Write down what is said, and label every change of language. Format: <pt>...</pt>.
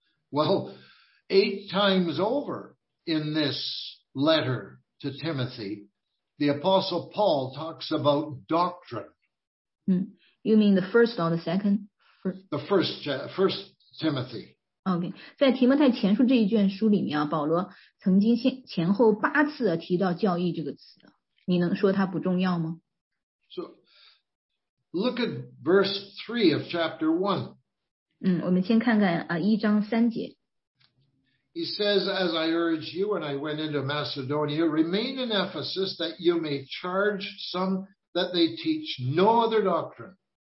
<en>Well, 8 times over in this letter to Timothy, the Apostle Paul talks about doctrine. You mean the first or the second? The first Timothy. Okay.</en> <zh>在提摩太前书这一卷书里面啊，保罗曾经前后8次提到教义这个词。你能说它不重要吗？</zh> <en>So, look at verse 3 of chapter 1.</en> <zh>我们先看看1章3节。</zh> <en>He says, as I urged you when I went into Macedonia, remain in Ephesus that you may charge some that they teach no other doctrine.</en>